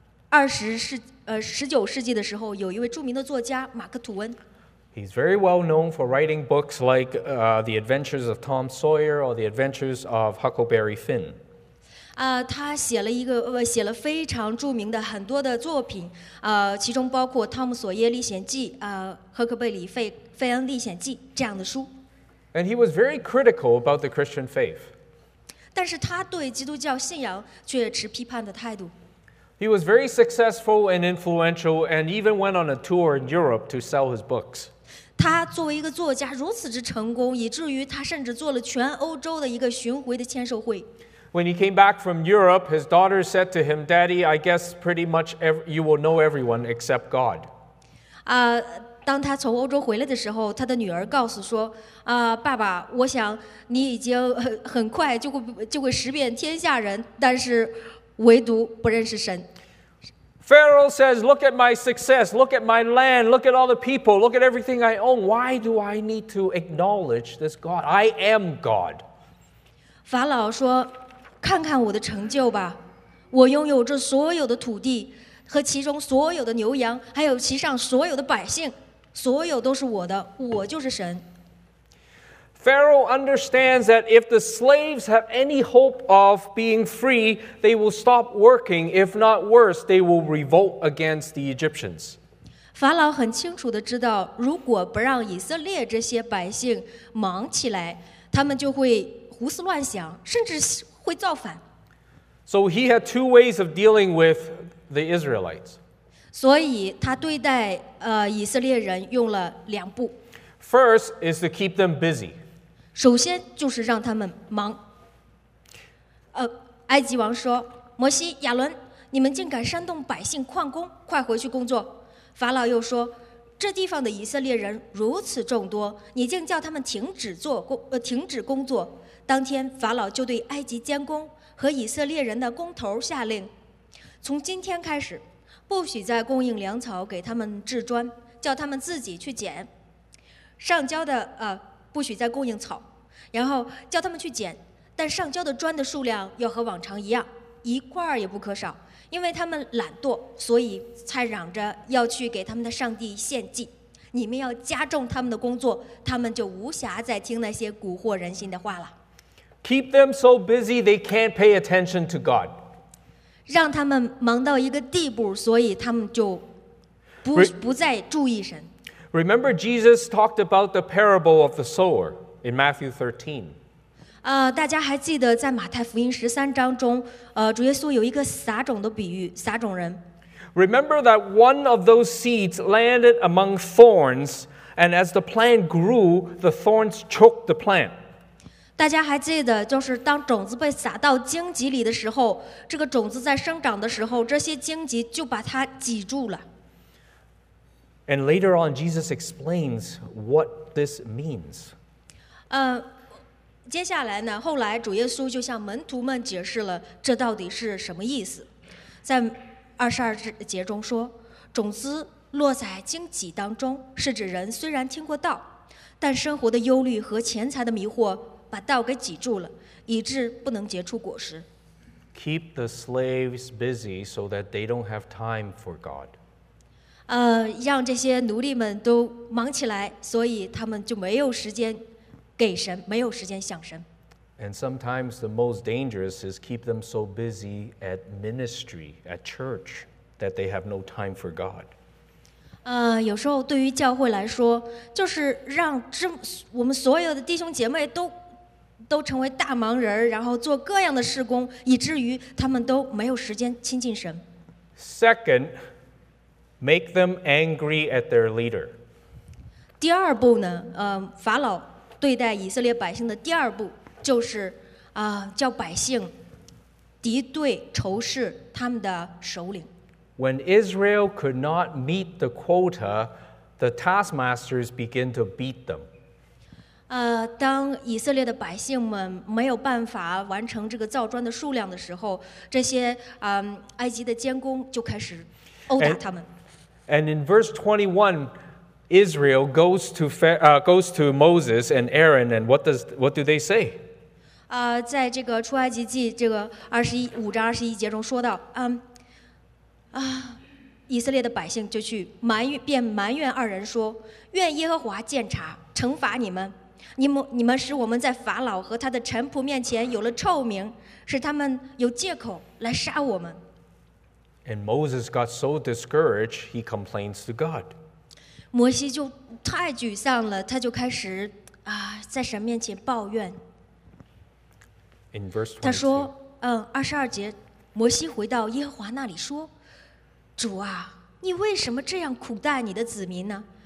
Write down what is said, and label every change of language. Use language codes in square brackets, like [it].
[zh] 19世纪的时候，有一位著名的作家马克吐温。 [en] He's very well known for writing books like The Adventures of Tom Sawyer or The Adventures of Huckleberry Finn. [zh] 他写了非常著名的很多的作品，其中包括《汤姆·索耶历险记》、《赫克贝里·费恩历险记》这样的书。 [en] And he was very critical about the Christian faith. [zh] 但是他对基督教信仰却持批判的态度。 [en] He was very successful and influential and even went on a tour in Europe to sell his books. [zh] 他作为一个作家如此之成功，以至于他甚至做了全欧洲的一个巡回的签售会。 [en] When he came back from Europe, his daughter said to him, Daddy, I guess pretty much you will know everyone except God. [zh] 当他从欧洲回来的时候，他的女儿告诉说，爸爸，我想你已经很快就会识遍天下人，但是唯独不认识神。 [en] Pharaoh says, look at my success, look at my land, look at all the people, look at everything I own. Why do I need to acknowledge this God? I am God. [zh] 法老说，看看我的成就吧，我拥有这所有的土地和其中所有的牛羊，还有其上所有的百姓，所有都是我的，我就是神。 [en] Pharaoh understands that if the slaves have any hope of being free, they will stop working. If not worse, they will revolt against the Egyptians. [zh] 法老很清楚地知道，如果不让以色列这些百姓忙起来，他们就会胡思乱想，甚至会造反。 [en] So he had two ways of dealing with the Israelites. [zh] 所以他对待以色列人用了两步。 [en] First is to keep them busy. [zh] 首先就是让他们忙。埃及王说，摩西、亚伦，你们竟敢煽动百姓旷工，快回去工作。法老又说，这地方的以色列人如此众多，你竟叫他们停止工作。当天法老就对埃及监工和以色列人的工头下令，从今天开始不许再供应粮草给他们制砖，叫他们自己去捡上交的不许再供应草，然后叫他们去捡，但上交的砖的数量要和往常一样，一块儿也不可少，因为他们懒惰，所以才嚷着要去给他们的上帝献祭。你们要加重他们的工作，他们就无暇再听那些蛊惑人心的话了。 [en] Keep them so busy they can't pay attention to God. [zh] 让他们忙到一个地步，所以他们就 不再注意神。 [en] Remember Jesus talked about the parable of the sower in Matthew 13. [zh] 大家还记得在马太福音十三章中，主耶稣有一个撒种的比喻，撒种人。 [en] Remember that one of those seeds landed among thorns, and as the plant grew, the thorns choked the plant. [zh] 大家还记得，就是当种子被撒到荆棘里的时候，这个种子在生长的时候，这些荆棘就把它挤住了。 [en] And later on, Jesus explains what this means. [zh] 接下来呢，后来主耶稣就向门徒们解释了这到底是什么意思。在二十二节中说，种子落在荆棘当中，是指人虽然听过道，但生活的忧虑和钱财的迷惑把道给挤住了，以致不能结出果实。 [en] Keep the slaves busy so that they don't have time for God. [zh] 让这些奴隶们都忙起来，所以他们就没有时间给神，没有时间想神。 [en] And sometimes the most dangerous is keep them so busy at ministry, at church, that they have no time for God. [zh] 有时候对于教会来说，就是让我们所有的弟兄姐妹都成为大忙人，然后做各样的事工，以至于他们都没有时间亲近神。 [en] Second, make them angry at their leader. [zh] 第二步呢，法老对待以色列百姓的第二步，就是叫百姓敌对仇视他们的首领。 [en] When Israel could not meet the quota, the taskmasters begin to beat them. [zh] 当以色列的百姓们没有办法完成这个造砖的数量的时候，这些埃及的监工就开始殴打他们。 [en] And in verse 21, Israel goes to Moses and Aaron, and what do they say? [zh] 在这个出埃及记这个五章二十一节中说到，以色列的百姓就去埋怨二人说，愿耶和华鉴察惩罚你们，你们使我们在法老和他的臣仆面前有了臭名，使他们有借口来杀我们。 [en] And Moses got so discouraged, he complains to God. [zh] 摩西就太沮丧了，他就开始在神面前抱怨。 [en] In verse 22, [zh] 他说，二十二节，摩西回到耶和华那里说，主啊，你为什么这样苦待你的子民呢？